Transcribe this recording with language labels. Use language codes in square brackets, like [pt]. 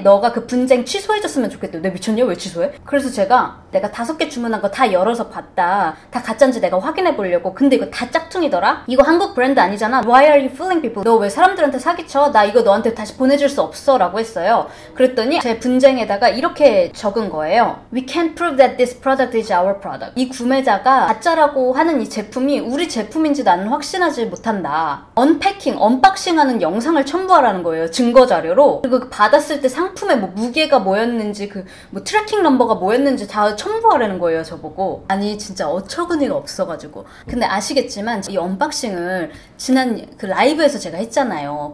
[ko] 너가 그 분쟁 취소해줬으면 좋겠대. 내가 미쳤냐? 왜 취소해? 그래서 제가 내가 다섯 개 주문한 거 다 열어서 봤다. 다 가짜인지 내가 확인해 보려고. 근데 이거 다 짝퉁이더라? 이거 한국 브랜드 아니잖아. [en] Why are you fooling people? [ko] 너 왜 사람들한테 사기쳐? 나 이거 너한테 다시 보내줄 수 없어. 라고 했어요. 그랬더니 제 분쟁에다가 이렇게 적은 거예요. [en] We can't prove that this product is our product. [ko] 이 구매자가 가짜라고 하는 이 제품이 우리 제품인지 나는 확신하지 못한다. 언패킹, 언박싱하는 영상을 첨부하라는 거예요. 증거자료로. 그리고 받았을 때 상품의 뭐 무게가 뭐였는지 그 뭐 트래킹 넘버가 뭐였는지 다 첨부하라는 거예요 저보고. 아니 진짜 어처구니가 없어가지고. 근데 아시겠지만 이 언박싱을 지난 그 라이브에서 제가 했잖아요.